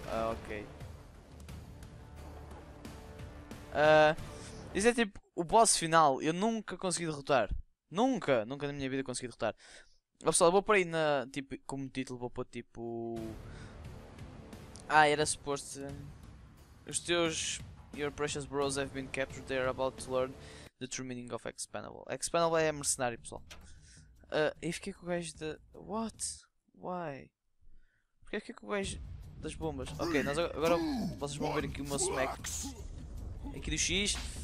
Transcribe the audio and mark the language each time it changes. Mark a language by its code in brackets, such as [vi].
[pt] Ok. Isso é tipo o boss final. Eu nunca consegui derrotar. Nunca, nunca na minha vida consegui derrotar. Mas, pessoal, vou por aí na. Tipo, como título, vou pôr tipo. Ah, era suposto. Os teus. [en] Your precious bros have been captured. They are about to learn the true meaning of expendable. [pt] Expendable é mercenário, pessoal. E fiquei com o gajo de. [en] What? Why? [pt] Porquê fiquei com o gajo das bombas? Ok, nós agora vocês vão ver aqui o meu smack. Aqui do X.